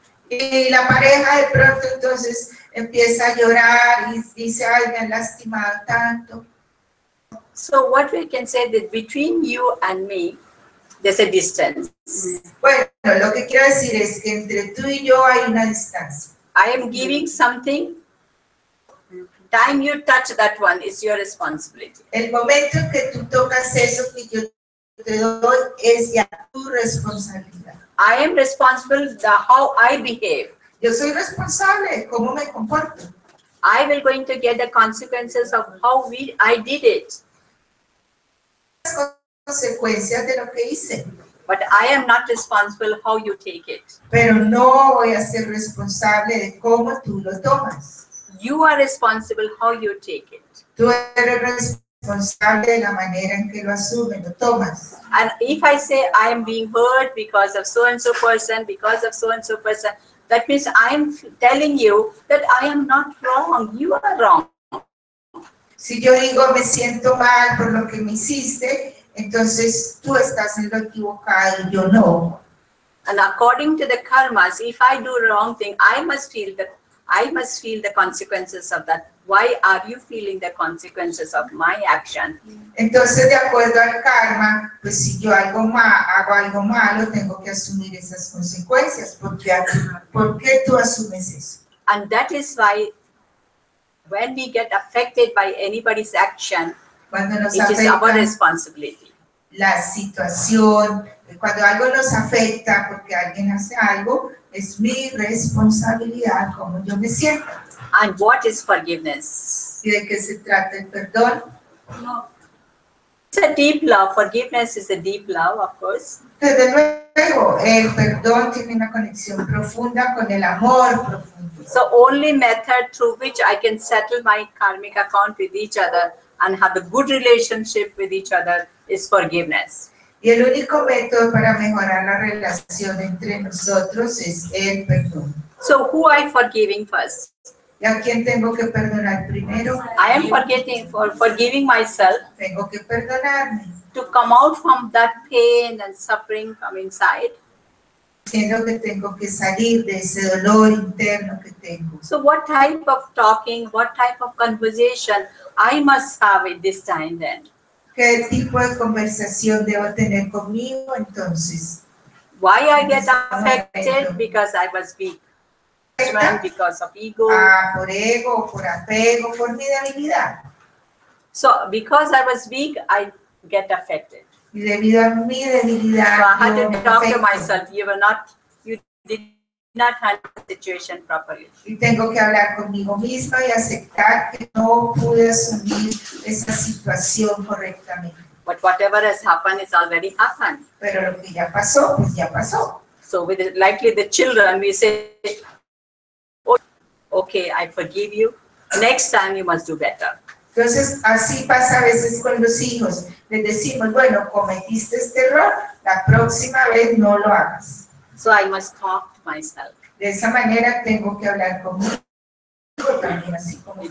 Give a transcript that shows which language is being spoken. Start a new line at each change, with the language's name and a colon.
Spanish: Y la pareja de pronto entonces empieza a llorar y dice, ay, me han lastimado tanto.
English: So what we can say that between you and me, there's a distance.
Spanish: Bueno, lo que quiero decir es que entre tú y yo hay una distancia.
English: I am giving something. Time you touch that one is your responsibility.
Spanish: El momento que tú tocas eso que yo te doy es ya tu responsabilidad.
English: I am responsible for how I behave.
Spanish: Yo soy responsable, ¿cómo me comporto?
English: I will going to get the consequences of how we I did it.
Spanish: Las consecuencias de lo que hice.
English: But I am not responsible how you take it.
Spanish: Pero no voy a ser responsable de cómo tú lo tomas.
English: You are responsible how you take it.
Spanish: Tú eres responsable de la manera en que lo asumes, lo tomas.
English: And if I say I am being hurt because of so and so person, because of so and so person, that means I am telling you that I am not wrong. You are wrong.
Spanish: Si yo digo me siento mal por lo que me hiciste, entonces tú estás en lo equivocado, yo no.
English: And according to the karmas, if I do wrong thing, I must feel the consequences of that. Why are you feeling the consequences of my action?
Spanish: Entonces, de acuerdo al karma, pues si yo hago algo malo, tengo que asumir esas consecuencias. ¿Por qué tú asumes eso?
English: And that is why when we get affected by anybody's action, it is our responsibility.
Spanish: La situación, cuando algo nos afecta porque alguien hace algo, es mi responsabilidad como yo me siento.
English: And what is forgiveness?
Spanish: ¿Y de qué se trata el perdón?
English: No. It's a deep love. Forgiveness is a deep love, of course.
Spanish: De nuevo, el perdón tiene una conexión profunda con el amor profundo.
English: So only method through which I can settle my karmic account with each other and have a good relationship with each other is forgiveness.
Spanish: Y el único método para mejorar la relación entre nosotros es el perdón.
English: So who I forgiving first?
Spanish: ¿Y a quién tengo que perdonar primero?
English: I am forgiving myself.
Spanish: Tengo que perdonarme.
English: To come out from that pain and suffering from inside.
Spanish: Siento que tengo que salir de ese dolor interno que tengo.
English: So what type of talking, what type of conversation I must have at this time then?
Spanish: ¿Qué tipo de conversación debo tener conmigo entonces?
English: Why I get affected? Because I was weak. Because of ego.
Spanish: Por ego, por apego, por mi debilidad.
English: So because I was weak, I get affected.
Spanish: Y debido a mi debilidad,
English: so I had to talk to myself. You did not handle the situation properly.
Spanish: Y tengo que hablar conmigo misma y aceptar que no pude asumir esa situación correctamente.
English: But whatever has happened is already happened.
Spanish: Pero lo que ya pasó, pues ya pasó.
English: So with the children, we say, oh, okay, I forgive you. Next time you must do better.
Spanish: Entonces así pasa a veces con los hijos. Les decimos, bueno, cometiste este error, la próxima vez no lo hagas.
English: So I must talk to myself.
Spanish: De esa manera tengo que hablar conmigo también, así como